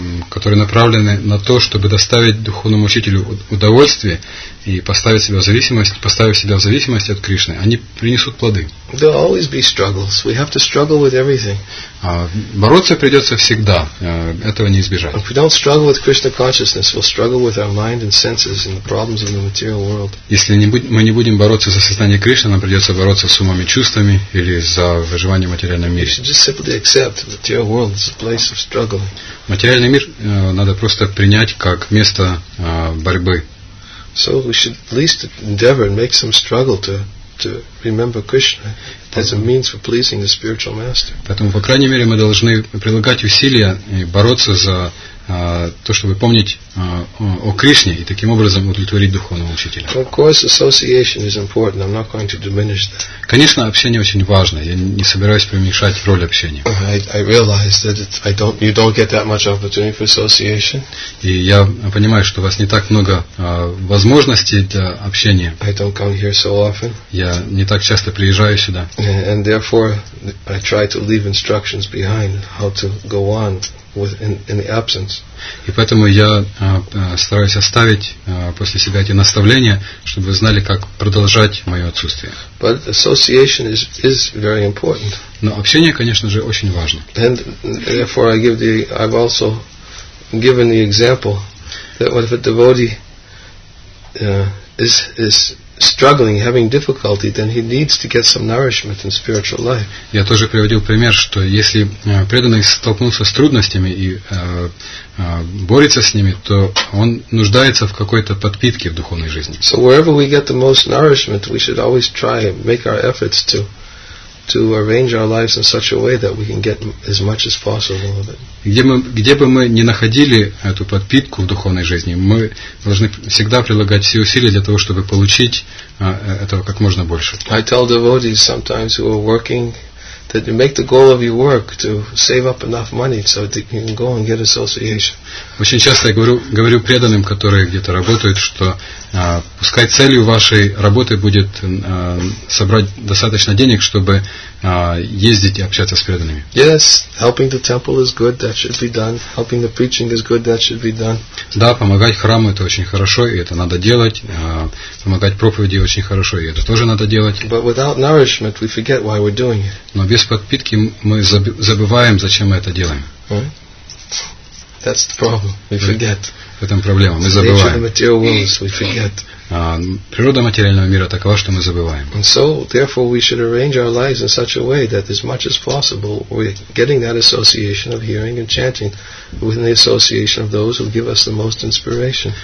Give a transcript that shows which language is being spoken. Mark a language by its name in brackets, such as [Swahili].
[Russian] которые направлены на то, чтобы доставить духовному учителю удовольствие и поставить себя в зависимость, от Кришны, они принесут плоды. [English] There'll always be struggles. We have to struggle with everything. [Russian] Бороться придется всегда. Этого не избежать. [English] If we don't struggle with Krishna consciousness, we'll struggle with our mind and senses and the problems of the material world. [Russian] Если мы не будем бороться за сознание Кришны, нам придется бороться с умами, чувствами или за выживание в материальном мире. [English] We should just simply accept the material world is a place of struggle. [Russian] Материальный мир надо просто принять как место борьбы. [English] So we should at least endeavor and make some struggle to remember Krishna as a means for pleasing the spiritual master. [Russian] Поэтому, по крайней мере, мы должны прилагать усилия и бороться за то, чтобы помнить о Кришне и таким образом удовлетворить духовного учителя. [English] Of course, association is important. I'm not going to diminish that. [Russian] Конечно, общение очень важно. Я не собираюсь преуменьшать роль общения. [English] I realize that you don't get that much opportunity for association. [Russian] И я понимаю, что у вас не так много возможностей для общения. [English] I don't come here so often. [Russian] Я не так часто приезжаю сюда. [English] And therefore, I try to leave instructions behind how to go on. In the absence. [Russian] И поэтому я стараюсь оставить после себя эти наставления, чтобы вы знали, как продолжать мое отсутствие. [English] But association is very important. [Russian] Но общение, конечно же, очень важно. [English] And therefore I've also given the example that what if a devotee is struggling, having difficulty, then he needs to get some nourishment in spiritual life. [Russian] Я тоже приводил пример, что если преданный столкнулся с трудностями и борется с ними, то он нуждается в какой-то подпитке в духовной жизни. [English] So wherever we get the most nourishment, we should always try and make our efforts to arrange our lives in such a way that we can get as much as possible of it. [Russian] Где бы мы ни находили эту подпитку в духовной жизни, мы должны всегда прилагать все усилия для того, чтобы получить этого как можно больше. [English] I tell devotees sometimes who are working that you make the goal of your work to save up enough money so that you can go and get association. [Russian] Очень часто я говорю преданным, которые где-то работают, что пускай целью вашей работы будет собрать достаточно денег, чтобы ездить и общаться с преданными. [English] Yes, helping the temple is good, that should be done. Helping the preaching is good, that should be done. [Russian] Да, помогать храму это очень хорошо, и это надо делать. Помогать проповеди очень хорошо, и это тоже надо делать. [English] But without nourishment we forget why we're doing it. [Russian] Но без подпитки мы забываем, зачем мы это делаем. [English] That's the problem. We forget. [Russian] В этом проблема. Мы забываем. [English] The material world, we forget. [Russian] Природа материального мира такова, что мы забываем. [English] And so, therefore, we should arrange our lives in such a way that as much as possible we're getting that association of hearing and chanting within the association of those who give us the most inspiration.